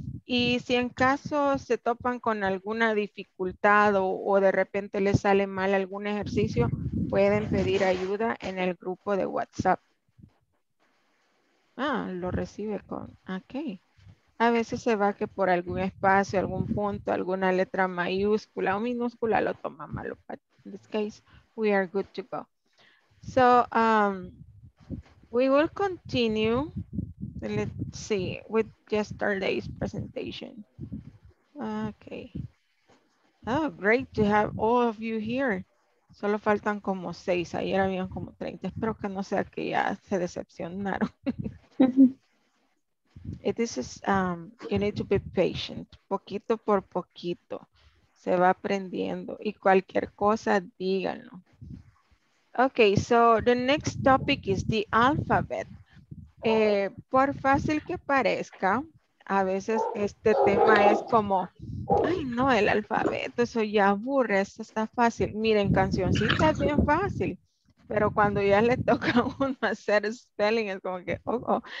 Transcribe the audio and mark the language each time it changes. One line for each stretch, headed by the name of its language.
Spanish: Y si en caso se topan con alguna dificultad o de repente les sale mal algún ejercicio, pueden pedir ayuda en el grupo de WhatsApp. Ah, lo recibe con, ok. A veces se va que por algún espacio, algún punto, alguna letra mayúscula o minúscula lo toma malo.
English: But in this case, we are good to go. So, we will continue. Let's see, with yesterday's presentation. Okay. Oh, great to have all of you here.
Spanish: Solo faltan como seis. Ayer habían como 30. Espero que no sea que ya se decepcionaron.
English: This is, you need to be patient,
Spanish: poquito por poquito, se va aprendiendo, y cualquier cosa, díganlo.
English: Okay, so the next topic is the alphabet.
Spanish: Por fácil que parezca, a veces este tema es como, ay no, el alfabeto, eso ya aburre, eso está fácil. Miren, cancioncita es bien fácil. Pero cuando ya le toca a uno hacer spelling, es como que, oh, oh.